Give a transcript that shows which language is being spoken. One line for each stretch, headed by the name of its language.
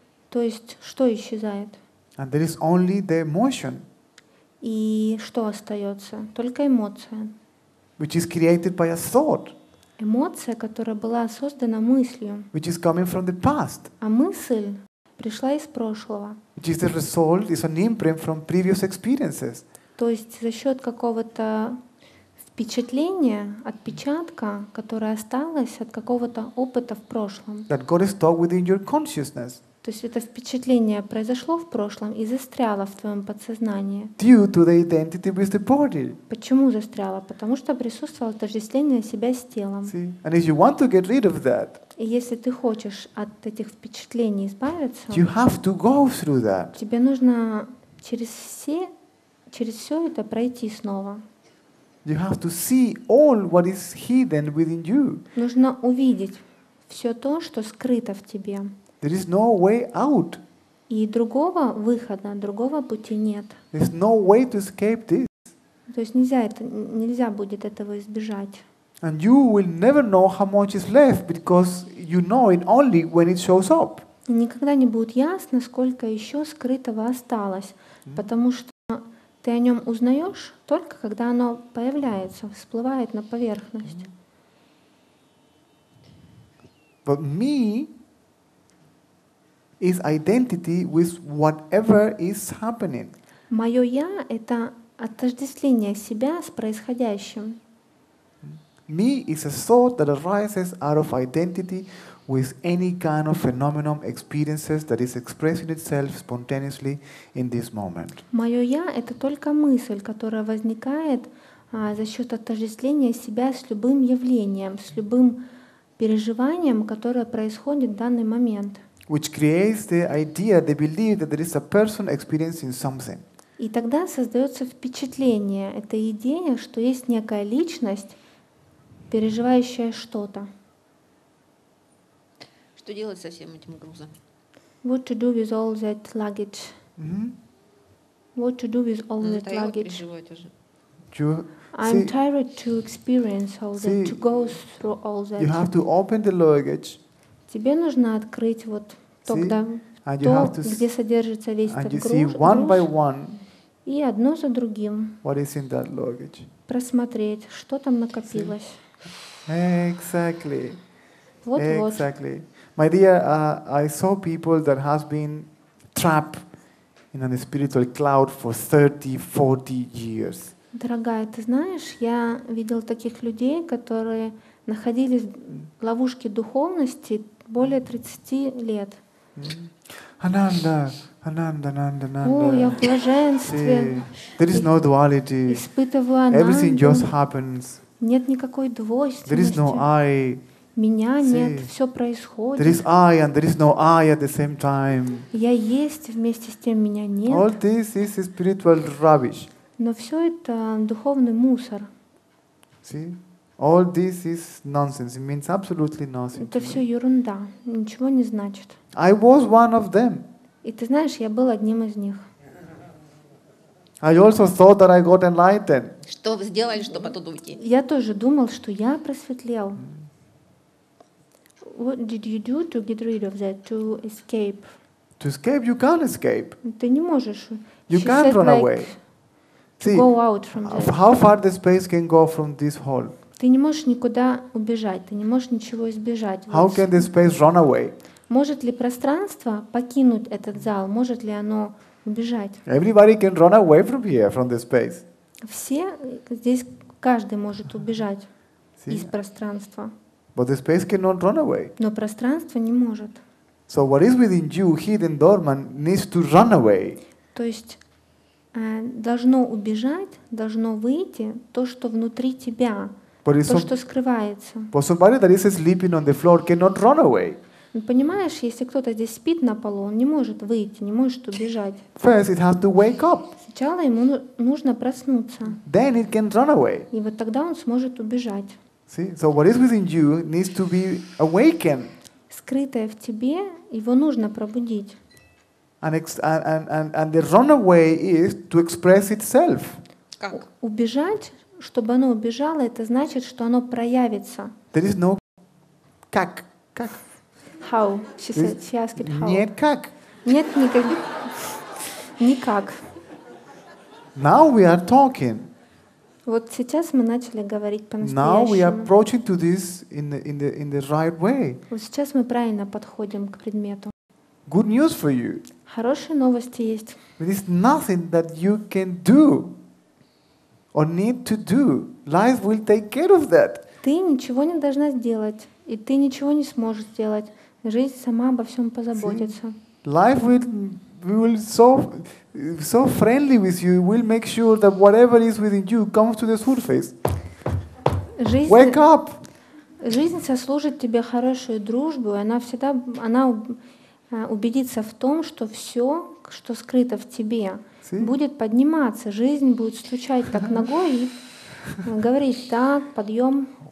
Russian: То есть что исчезает?
English: And there is only the emotion.
Russian: И что остается? Только эмоция.
English: Which is created by a thought.
Russian: Эмоция, которая была создана мыслью.
English: Which is coming from the past.
Russian: А мысль пришла из прошлого.
English: Which is the result, is an imprint from previous experiences.
Russian: То есть за счет какого-то впечатления, отпечатка, которая осталась от какого-то опыта в прошлом.
English: That got stuck within your consciousness.
Russian: То есть это впечатление произошло в прошлом и застряло в твоем подсознании.
English: Due to the identity with the body.
Russian: Почему застряло? Потому что присутствовало отождествление себя с телом.
English: See? And if you want to get rid of that,
Russian: и если ты хочешь от этих впечатлений избавиться,
English: you have to go through that.
Russian: Тебе нужно через все это пройти снова.
English: You have to see all what is hidden within you.
Russian: Нужно увидеть все то, что скрыто в тебе.
English: There is no way out.
Russian: И другого выхода, другого пути нет.
English: There's no way to escape this.
Russian: То есть нельзя будет этого избежать.
English: And you will never know how much is left because you know it only when it shows up.
Russian: И никогда не будет ясно, сколько еще скрытого осталось, потому что ты о нем узнаешь только когда оно появляется, всплывает на поверхность.
English: But me is identity with whatever is happening.
Russian: Моё я это отождествление себя с происходящим.
English: Me is a thought that arises out of identity with any kind of phenomenon experiences that is expressing itself spontaneously in this moment.
Russian: Моё я это только мысль, которая возникает за счёт отождествления себя с любым явлением, с любым переживанием, которое происходит в данный момент.
English: Which creates the idea, the belief that there is a person experiencing something.
Russian: И тогда создается впечатление, эта идея, что есть некая личность, переживающая что-то. Что делать со всем этим грузом?
English: What to do with all that luggage? Mm-hmm. What to do with all that luggage? I'm tired to experience all that, to go through all that. You have to open the luggage.
Russian: Тебе нужно открыть вот то, где содержится весь этот груз, и одно за другим просмотреть, что там накопилось.
English: Exactly.
Russian: Вот-вот.
English: Exactly. My dear, I saw people that has been trapped in a spiritual cloud for 30-40 years.
Russian: Дорогая, ты знаешь, я видел таких людей, которые находились в ловушке духовности более 30 лет. Ананда. О, я в блаженстве.
English: There is no duality.
Russian: Испытываю ананду.
English: Everything just happens.
Russian: Нет никакой двойственности.
English: There is no I.
Russian: Меня нет, все происходит.
English: There is I and there is no I at the same time.
Russian: Я есть вместе с тем, меня нет.
English: All this is spiritual rubbish.
Russian: Но все это духовный мусор.
English: See? All this is nonsense. It means absolutely nothing.
Russian: Это все ерунда. Ничего не значит.
English: I was one of them.
Russian: И ты знаешь, я был одним из них.
English: I also thought that I got enlightened.
Russian: Что вы сделали, чтобы оттуда уйти? Я тоже думал, что я просветлел.
English: What did you do to get rid of that, to escape? To escape, you can't escape.
Russian: Ты не можешь.
English: You she can't said, run like, away. See, go out from this. How far the space can go from this hole?
Russian: Ты не можешь никуда убежать, ты не можешь ничего избежать.
English: How can the space run away?
Russian: Может ли пространство покинуть этот зал? Может ли оно убежать?
English: Everybody can run away from here, from the space.
Russian: Все здесь каждый может убежать
English: See?
Russian: Из пространства.
English: But the space cannot run away.
Russian: Но пространство не может.
English: So what is within you, hidden, dormant, needs to run away.
Russian: То есть должно убежать, должно выйти то, что внутри тебя,
English: but
Russian: то, что скрывается.
English: But somebody that is sleeping on the floor cannot run away.
Russian: Понимаешь, если кто-то здесь спит на полу, он не может выйти, не может убежать.
English: First, it has to wake up.
Russian: Сначала ему нужно проснуться.
English: Then it can run away.
Russian: И вот тогда он сможет убежать.
English: See? So what is within you needs to be awakened.
Russian: Скрытое в тебе, его нужно пробудить.
English: And the run away is to express itself.
Russian: Как? Убежать, чтобы оно убежало, это значит, что оно проявится.
English: There is no
Russian: как. Как?
English: How? She said, she asked how.
Russian: Нет, как? Нет, никак. Никак.
English: Now we are talking.
Russian: Вот сейчас мы начали говорить по-настоящему.
English: Now we are approaching to this in the right way.
Russian: Вот сейчас мы правильно подходим к предмету.
English: Good news for you.
Russian: Хорошие новости есть.
English: There is nothing that you can do or need to do. Life will take care of that.
Russian: Ты ничего не должна сделать, и ты ничего не сможешь сделать. Жизнь сама обо всем позаботится.
English: See? Life will so friendly with you. We'll make sure that whatever is within you comes to the surface.
Russian: Жизнь,
English: wake up!
Russian: Жизнь сослужит тебе хорошую дружбу, и она всегда она убедится в том, что все, что скрыто в тебе,
English: See?
Russian: Будет подниматься. Жизнь будет стучать так ногой и говорить: так, подъем.